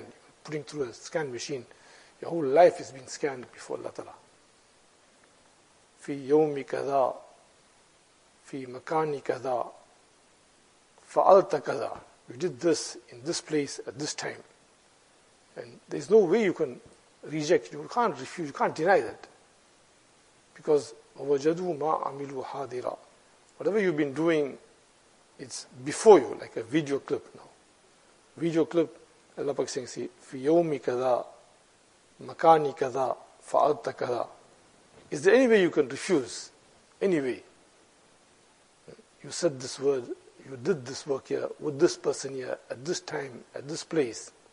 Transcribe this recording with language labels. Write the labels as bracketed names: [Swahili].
[English] You're putting through a scan machine. Your whole life is being scanned before Allah Ta'ala. [Arabic] Fi yawmi kaza, fi makani kaza, fa'alta kaza. [English] You did this in this place at this time. And there's no way you can reject. You can't refuse. You can't deny that. Because [Arabic] وَجَدُوا مَا عَمِلُوا حَاضِرًا. [English] Whatever you've been doing, it's before you, like a video clip now. Video clip, Allah Pak saying, [Arabic] fi yawmi kaza, makani kaza, fa'alta kaza. [English] Is there any way you can refuse? Any way? You said this word, you did this work here, with this person here, at this time, at this place.